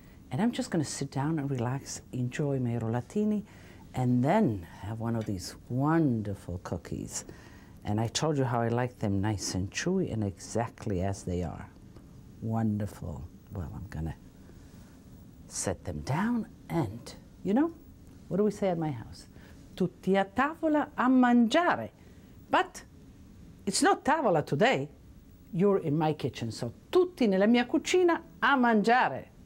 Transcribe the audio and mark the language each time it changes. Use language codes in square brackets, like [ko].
[en] And I'm just gonna sit down and relax, enjoy my rollatini, and then have one of these wonderful cookies. And I told you how I like them nice and chewy and exactly as they are. Wonderful. Well, I'm gonna set them down. And you know, what do we say at my house? [it] Tutti a tavola a mangiare. [en] But it's not tavola today. You're in my kitchen, so [it] tutti nella mia cucina a mangiare.